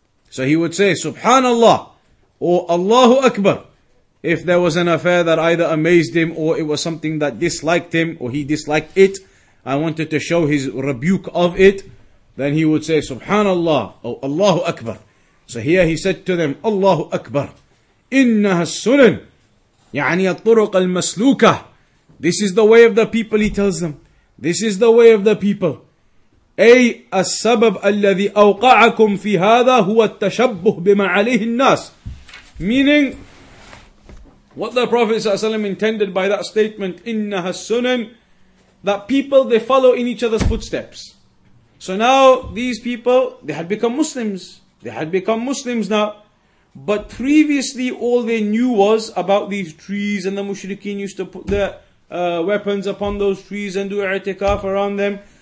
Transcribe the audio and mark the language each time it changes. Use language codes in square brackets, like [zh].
[en] So he would say, Subhanallah, or Allahu Akbar, if there was an affair that either amazed him, or it was something that disliked him, or he disliked it, and wanted to show his rebuke of it, then he would say, Subhanallah, oh, Allahu Akbar. So here he said to them, Allahu Akbar. [ar] Innaha sunan. Ya'ani al-turuq al-masluka. [en] This is the way of the people, he tells them. This is the way of the people. [ar] أي السبب الذي أوقعكم في هذا هو التشبه بما عليه الناس. [en] Meaning, what the Prophet ﷺ intended by that statement, [ar] إنها السنن, [en] that people, they follow in each other's footsteps. So now, these people, they had become Muslims. They had become Muslims now. But previously, all they knew was about these trees, and the mushrikeen used to put their weapons upon those trees and do i'tikaf around them.